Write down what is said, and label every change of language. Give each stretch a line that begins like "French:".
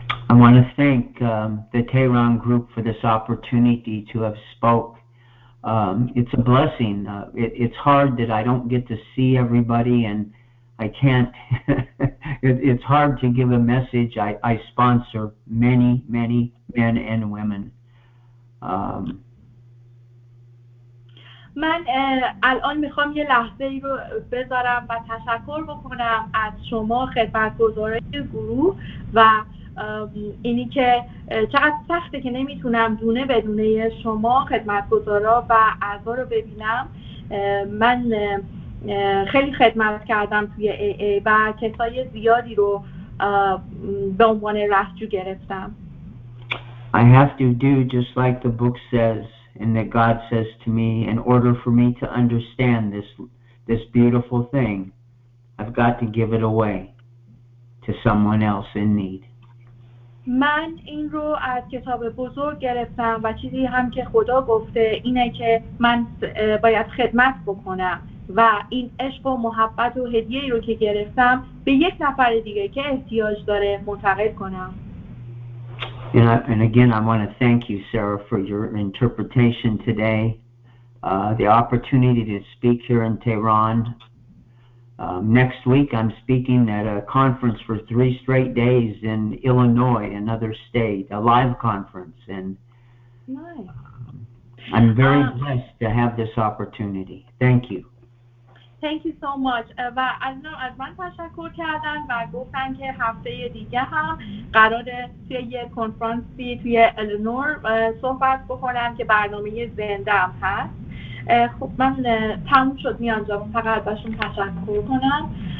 English: I want to thank the Tehran group for this opportunity to have spoke. It's a blessing. It's hard that I don't get to see everybody and I can't. It's hard to give a message. I sponsor many, many men and women.
Persian: من الان میخوام یه لحظه ای رو بذارم و تشکر بکنم از شما خدمتگزاران گروه و اینی که چقدر سخته که نمیتونم دونه به دونه شما خدمتگزارا و اعضا رو ببینم. من خیلی خدمت کردم توی AA و کسای زیادی رو به عنوان رهجو گرفتم.
English: I have to do just like the book says and that God says to me, in order for me to understand this beautiful thing, I've got to give it away to someone else in need.
Persian: من این رو از کتاب بزرگ گرفتم و چیزی هم که خدا گفته اینه که من باید خدمت بکنم و این عشق و محبت و هدیه ای رو که گرفتم به یک نفر دیگه که احتیاج داره منتقل کنم.
English: And again, I want to thank you, Sarah, for your interpretation today, the opportunity to speak here in Tehran. Next week, I'm speaking at a conference for 3 straight days in Illinois, another state, a live conference. And nice. I'm very blessed to have this opportunity. Thank you. Thank you so much.
Persian: و از من تشکر کردن و گفتن که هفته دیگه هم قراره توی یه کنفرانسی توی الینور صحبت بکنم که برنامه زنده هم هست. خب من تموم شد میانجا من فقط ازشون تشکر کنم.